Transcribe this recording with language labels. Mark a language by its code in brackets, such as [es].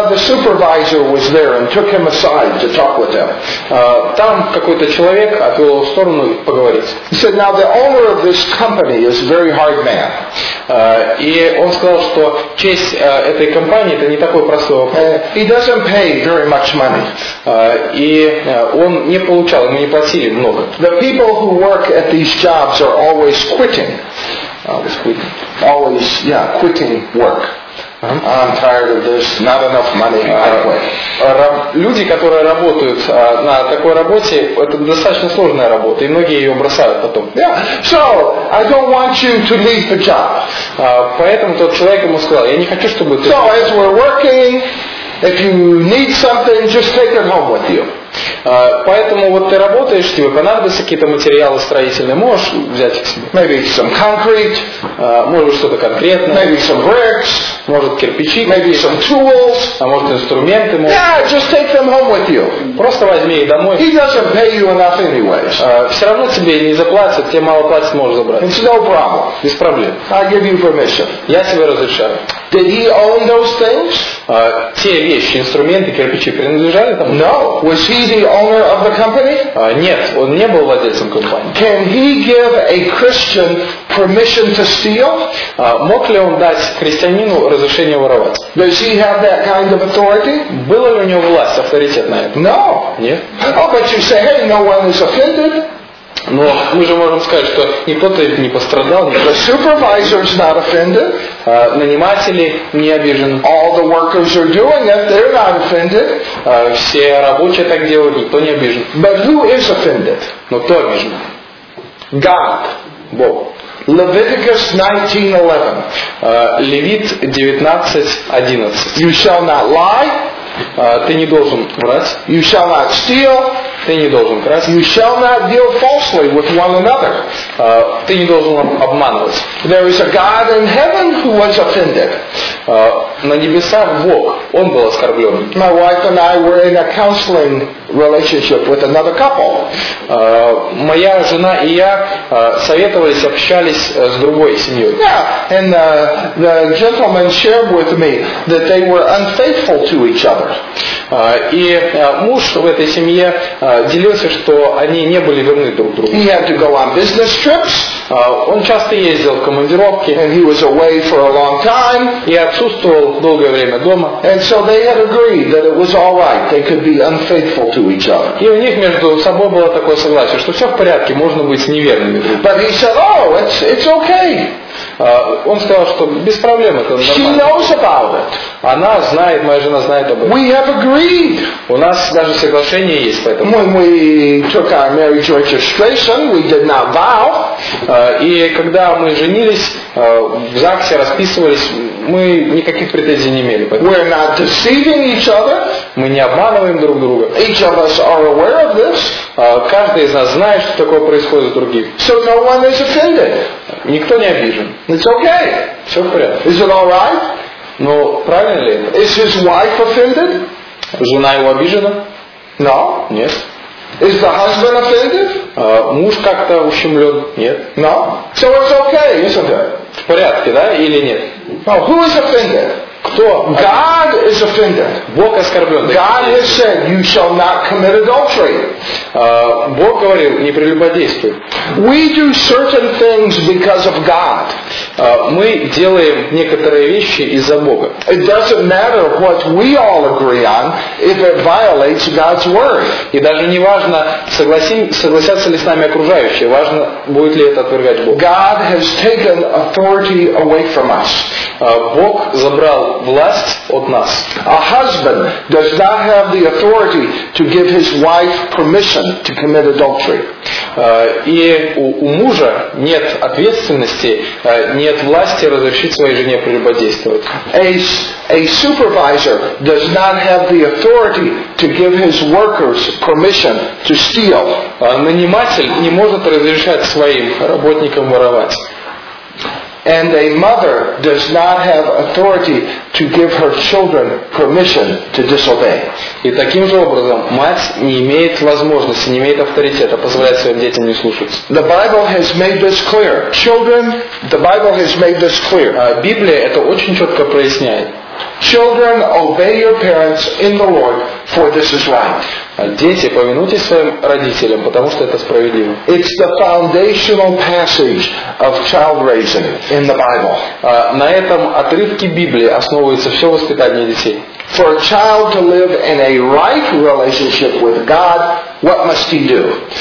[en] the supervisor was there and took him aside to talk with him. [ru] Там какой-то человек отвел его в сторону поговорить. [en] He said, now the owner of this company is a very hard man. [ru] И он сказал, что честь этой компании это не такой простой вопрос. [en] He doesn't pay very much money. [ru] Он не получал, ему не платили много. [en] The people who work at these jobs are always quitting. Always quitting work. Uh-huh. I'm tired of this, not enough money, I quit. [ru] Люди, которые работают на такой работе, это достаточно сложная работа, и многие ее бросают потом. [en] Yeah. So, I don't want you to leave the job. [ru] Поэтому тот человек ему сказал, я не хочу, чтобы ты... [en] So, as we're working, if you need something, just take it home with you. [ru] Поэтому вот ты работаешь, тебе понадобятся какие-то материалы строительные, можешь взять их себе. [en] Maybe some concrete, [ru] может быть что-то конкретное. [en] Maybe some bricks, [ru] может кирпичи. [en] Maybe some tools, [ru] а может инструменты. [en] Yeah, just take them home with you. [ru] Просто возьми их домой. [en] He doesn't pay you enough anyway. [ru] Все равно тебе не заплатят, тебе мало платят, можешь забрать. [en] It's no problem. [ru] Без проблем. [en] I give you permission. [ru] Я тебе разрешаю. [en] Did he own those things? [ru] Те вещи, инструменты, кирпичи принадлежали там? [en] No. Was he the owner of the company? [ru] Нет, он не был владельцем компании. [en] Can he give a Christian permission to steal? [ru] Мог ли он дать христианину разрешение воровать? [en] Does he have that kind of authority? [ru] Была ли у него власть, авторитет на это? [en] No. [ru] Нет. [en] Oh, but you say, hey, no one is offended. [ru] Но мы же можем сказать, что никто-то не пострадал. [en] The supervisor's not offended. [ru] Наниматели не обижены. [en] All the workers are doing it, they're not offended. [ru] Все рабочие так делают, никто не обижен. [en] But who is offended? [ru] Но кто обижен? [en] God. [ru] Бог. [en] Leviticus 19:11. [ru] Левит 19:11. [en] You shall not lie. [ru] Ты не должен врать. [en] You shall not steal. [ru] Ты не должен красть. [en] You shall not deal falsely with one another. [ru] Ты не должен обманывать. [en] There is a God in heaven who was offended. [ru] На небесах Бог, он был оскорблен. [en] My wife and I were in a counseling relationship with another couple. [ru] Моя жена и я советовались, общались с другой семьей. [en] Yeah, and the gentleman shared with me that they were unfaithful to each other. [ru] И муж в этой семье делился, что они не были верны друг другу. [en] He had to go on business trips. [ru] Он часто ездил в командировки. [en] And he was away for a long time. [ru] И отсутствовал долгое время дома. [en] And so they had agreed that it was all right. They could be unfaithful to each other. [ru] И у них между собой было такое согласие, что все в порядке, можно быть неверными друг другу. [en] But he said, oh, it's okay. [ru] Он сказал, что без проблем это нормально. [en] She knows about it. [ru] Она знает, моя жена знает об этом. [en] We have agreed. [ru] У нас даже соглашение есть, поэтому. [en] When we took our marriage registration, we did not vow. [ru] И когда мы женились, в ЗАГСе расписывались, мы никаких претензий не имели. [en] We're not deceiving each other. [ru] Мы не обманываем друг друга. [en] Each of us are aware of this. [ru] Каждый из нас знает, что такое происходит с другим. [en] So no one is offended. [ru] Никто не обижен. [en] It's okay. [ru] Все в порядке. [en] Is it all right? [ru] Но правильно ли это? [en] Is his wife offended? [ru] Жена его обижена? [en] No. [ru] Нет. [en] Is the husband offended? [ru] Муж как-то ущемлен? Нет. [en] No. So it's okay, isn't it? [ru] В порядке, да, или нет? [en] No. Who is offended? [ru] Кто? [en] God is offended. [ru] Бог оскорблен. [en] God has said, you shall not commit adultery. [ru] Бог говорил, не прелюбодействуй. [en] We do certain things because of God. [ru] Мы делаем некоторые вещи из-за Бога. [en] It doesn't matter what we all agree on if it violates God's word. [ru] И даже не важно, согласятся ли с нами окружающие, важно, будет ли это отвергать Бога. [en] God has taken authority away from us. [ru] Бог забрал власть от нас. [en] A husband does not have the authority to give his wife permission to commit adultery. [ru] И у мужа нет ответственности, нет власти разрешить своей жене прелюбодействовать. [en] A supervisor does not have the authority to give his workers permission to steal. [ru] Наниматель не может разрешать своим работникам воровать. [en] And a mother does not have authority to give her children permission to disobey. [ru] И таким же образом мать не имеет возможности, не имеет авторитета позволять своим детям не слушаться. [en] The Bible has made this clear. Children, the Bible has made this clear. [ru] Библия это очень четко проясняет. [en] Children, obey your parents in the Lord, for this is right. [ru] Дети, повинуйтесь своим родителям, потому что это справедливо. [en] It's the foundational passage of child raising in the Bible. [ru] На этом отрывке Библии основывается все воспитание детей. [en] For a child to live in a right relationship with God, what must he do?